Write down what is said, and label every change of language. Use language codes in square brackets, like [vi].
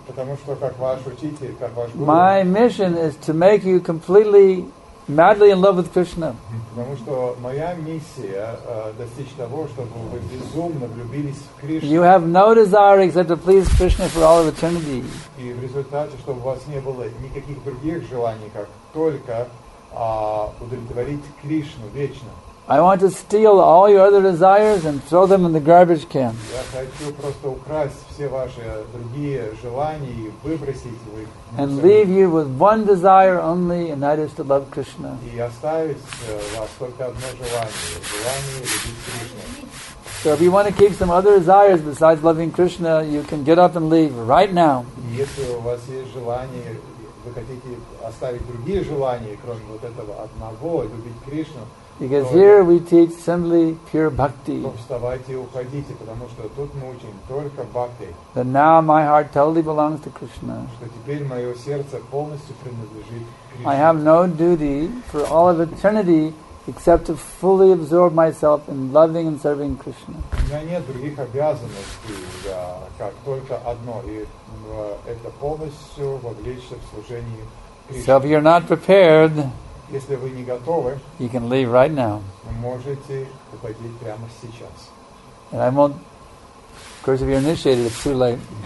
[ru] потому что как ваш учитель, как ваш гуру, [en] my mission is to make you completely madly in love with Krishna. [ru] Потому что моя миссия достичь того, чтобы вы безумно влюбились в Кришну. [en] You have no desire except to please Krishna for all of eternity. [ru] И в результате, чтобы у вас не было никаких других желаний, как только удовлетворить Кришну вечно. [en] I want to steal all your other desires and throw them in the garbage can. [ru] Я хочу просто украсть все ваши другие желания и выбросить их. [en] And leave you with one desire only, and that is to love Krishna. [ru] И оставить вас только одно желание, желание любить Кришну. [en] So if you want to keep some other desires besides loving Krishna, you can get up and leave right now. [ru] Если у вас есть желание, вы хотите оставить другие желания, кроме вот этого одного, любить Кришну. [en] Because here we teach simply pure bhakti. [ru] Вставайте и уходите, потому что тут мы учим только бхакти. [en] That now my heart totally belongs to Krishna. [ru] Что теперь мое сердце полностью принадлежит Кришне. [en] I have no duty for all of eternity except to fully absorb myself in loving and serving Krishna. [ru] У меня нет других обязанностей, как только одно, и это полностью вовлечься в служение Кришне. [en] So if you're not prepared, [ru] если вы не готовы, [en] you can leave right now. [ru] Вы можете уходить прямо сейчас. [en] And I won't, of course, if you're initiated, it's too late.